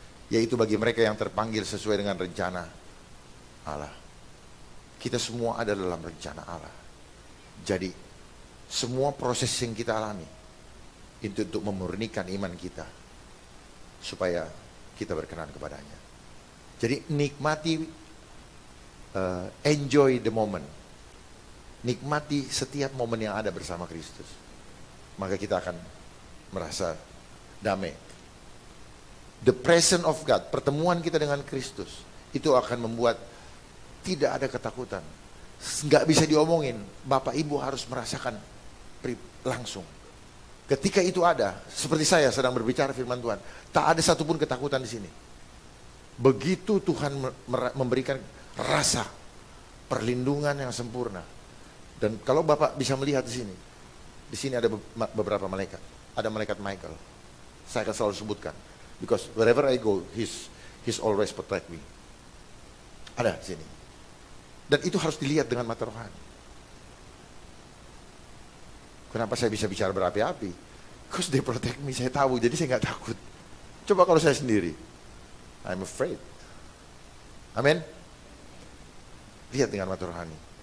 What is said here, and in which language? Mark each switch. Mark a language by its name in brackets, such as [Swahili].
[Indonesian] Yaitu bagi mereka yang terpanggil sesuai dengan rencana Allah. Kita semua ada dalam rencana Allah. Jadi semua proses yang kita alami itu untuk memurnikan iman kita supaya kita berkenan kepadanya. Jadi nikmati, [English] enjoy the moment. [Indonesian] Nikmati setiap momen yang ada bersama Kristus. Maka kita akan merasa damai. [English] The presence of God, [Indonesian] pertemuan kita dengan Kristus, itu akan membuat tidak ada ketakutan. Enggak bisa diomongin, Bapak Ibu harus merasakan langsung. Ketika itu ada, seperti saya sedang berbicara firman Tuhan, tak ada satupun ketakutan di sini. Begitu Tuhan memberikan rasa perlindungan yang sempurna. Dan kalau Bapak bisa melihat di sini ada beberapa malaikat. Ada malaikat Michael. Saya akan selalu sebutkan. [English] Because wherever I go, he's always protect me. [Indonesian] Ada di sini. Dan itu harus dilihat dengan mata rohani. Kenapa saya bisa bicara berapi-api? [English] Because they protect me, [Indonesian] saya tahu, jadi saya gak takut. Coba kalau saya sendiri, [English] I'm afraid. [Indonesian] Amin? Lihat dengan mata rohani.